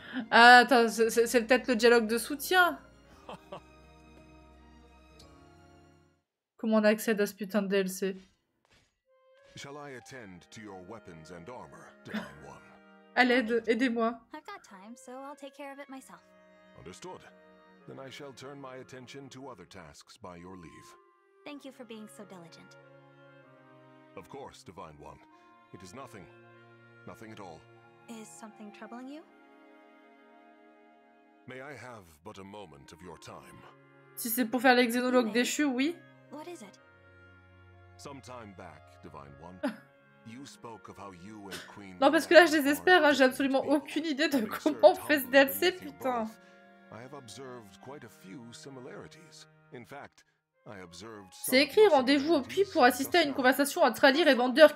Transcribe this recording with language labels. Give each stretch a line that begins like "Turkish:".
French: Ah, attends, c'est peut-être le dialogue de soutien. Comment on accède à ce putain de DLC?
English: Shall I attend to your weapons and armor, divine one?
French: À l'aide, aidez-moi.
English: I've got time, so I'll take care of it myself. Understood. Then I shall turn my attention to other tasks by your leave. Thank you for being so diligent. Of course, divine one. It is nothing. Nothing at all. Is something troubling you? May I have but a moment of your time?
French: Si c'est pour faire les xénologues déchus, oui.
English: What is it? Some time back, divine one, you spoke of how you and Queen.
French: Non parce que là je désespère, hein, j'ai absolument aucune idée de comment on fait ce DLC, putain.
English: I have observed quite a few similarities. In fact, I observed
French: some. C'est écrit rendez-vous au puits pour assister à une conversation entre Alear et Vendeur.